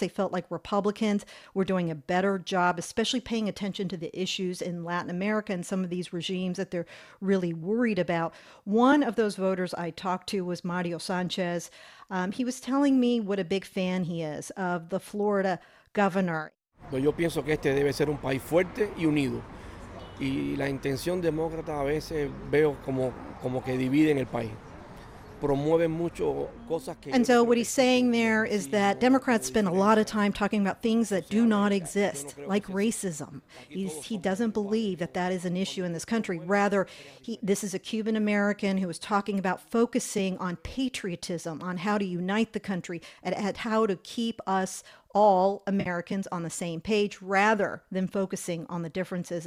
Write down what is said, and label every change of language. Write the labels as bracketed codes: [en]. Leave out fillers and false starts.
[en] They felt like Republicans were doing a better job, especially paying attention to the issues in Latin America and some of these regimes that they're really worried about. One of those voters I talked to was Mario Sanchez. He was telling me what a big fan he is of the Florida governor. [es] Yo pienso que este debe ser un país fuerte y unido. Y la intención demócrata a veces veo como que dividen el país. [en] And so what he's saying there is that Democrats spend a lot of time talking about things that do not exist, like racism. He doesn't believe that that is an issue in this country. Rather, this is a Cuban American who was talking about focusing on patriotism, on how to unite the country, and how to keep us all Americans on the same page, rather than focusing on the differences.